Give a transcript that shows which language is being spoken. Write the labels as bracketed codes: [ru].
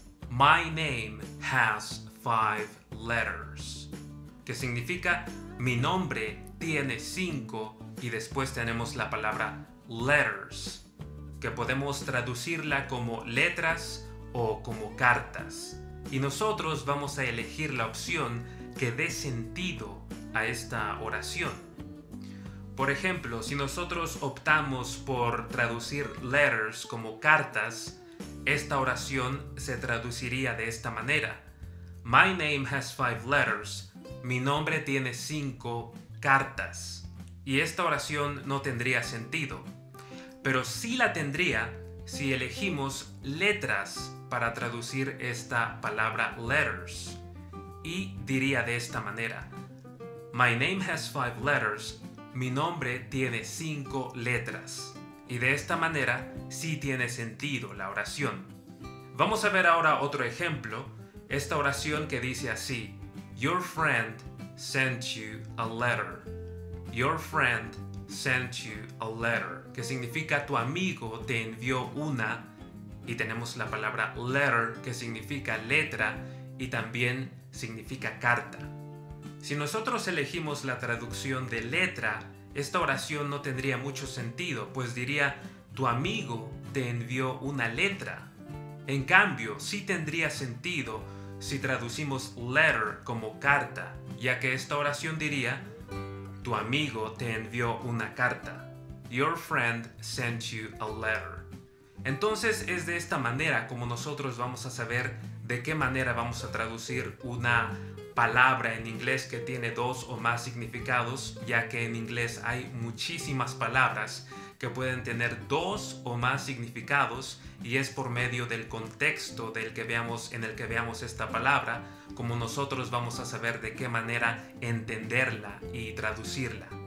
[en] My name has five letters. [es] Que significa mi nombre tiene cinco y después tenemos la palabra letters, que podemos traducirla como letras o como cartas. Y nosotros vamos a elegir la opción que dé sentido a esta oración. Por ejemplo, si nosotros optamos por traducir letters como cartas, esta oración se traduciría de esta manera. [en] My name has five letters. [es] Mi nombre tiene cinco cartas. Y esta oración no tendría sentido. Pero sí la tendría si elegimos letras para traducir esta palabra letters. Y diría de esta manera. [en] My name has five letters. [es] Mi nombre tiene cinco letras. Y de esta manera, sí tiene sentido la oración. Vamos a ver ahora otro ejemplo. Esta oración que dice así. [en] Your friend sent you a letter. Your friend sent you a letter. [es] Que significa tu amigo te envió una. Y tenemos la palabra letter, que significa letra y también significa carta. Si nosotros elegimos la traducción de letra, esta oración no tendría mucho sentido, pues diría, tu amigo te envió una letra. En cambio, sí tendría sentido si traducimos letter como carta, ya que esta oración diría, tu amigo te envió una carta. [en] Your friend sent you a letter. [es] Entonces, es de esta manera como nosotros vamos a saber de qué manera vamos a traducir una palabra en inglés que tiene dos o más significados, ya que en inglés hay muchísimas palabras que pueden tener dos o más significados y es por medio del contexto en el que veamos esta palabra como nosotros vamos a saber de qué manera entenderla y traducirla.